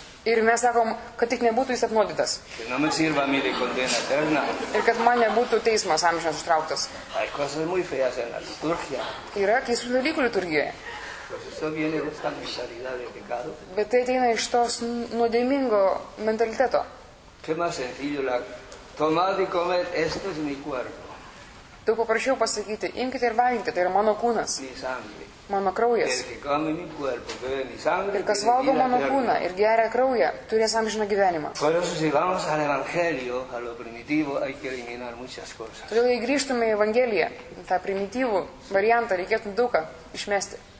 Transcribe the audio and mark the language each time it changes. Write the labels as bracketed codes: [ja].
[lt] Ir mes sakom, kad tik nebūtų jis apnuodytas. [es] Que no me sirva a mí de condena eterna. [lt] Ir kad man nebūtų teismas amžinas užtrauktas. [es] Hay cosas muy feas en la liturgia. [lt] Yra keistų dalykų liturgijoje. [es] Eso viene de esta mentalidad de pecado. [lt] Bet tai ateina iš tos nuodėmingo mentaliteto. [es] Qué más sencillo la tomar de comer, esto es mi cuerpo. [lt] Tu paprašiau pasakyti, imkite ir valgykite, tai yra mano kūnas. [es] Mi sangre. [lt] Mano kraujas. [es] El que come mi cuerpo, bebe mi sangre. [lt] Ir kas valgo mano kūną ir geria kraują, turės amžiną gyvenimą. [es] Por eso si vamos al evangelio, a lo primitivo, hay que eliminar muchas cosas. [lt] Todėl, jei grįžtume į evangeliją, tą primityvų variantą, reikėtų daugą išmesti.